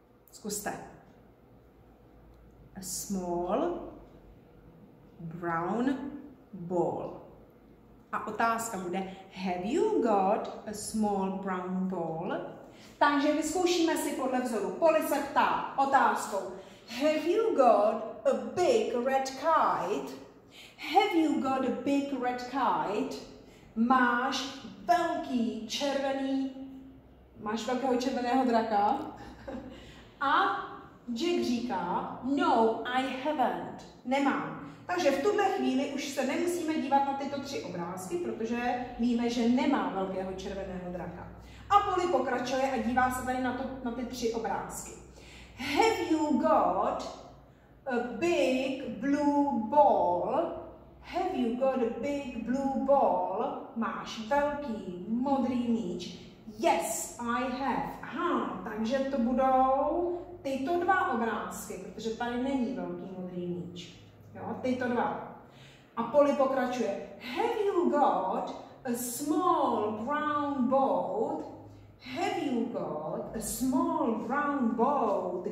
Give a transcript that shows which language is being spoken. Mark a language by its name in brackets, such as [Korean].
[Czech] Zkuste. [English] A small brown ball. [Czech] A otázka bude, [English] have you got a small brown ball? [Czech] Takže vyzkoušíme si podle vzoru. Poli se ptá otázkou. [English] Have you got a big red kite? Have you got a big red kite? [Czech] Máš velký červený, máš velkého červeného draka? A Jack říká, [English] no, I haven't, [Czech] nemám. Takže v tuhle chvíli už se nemusíme dívat na tyto tři obrázky, protože víme, že nemá velkého červeného draka. A Polly pokračuje a dívá se tady na ty tři obrázky. [English] Have you got a big blue ball? Have you got a big blue ball? [Czech] Máš velký modrý míč? [English] Yes, I have. [Czech] Aha, takže to budou tyto dva obrázky, protože tady není velký modrý míč. Jo, tyto dva. A Polly pokračuje. [English] Have you got a small brown boat? Have you got a small brown boat?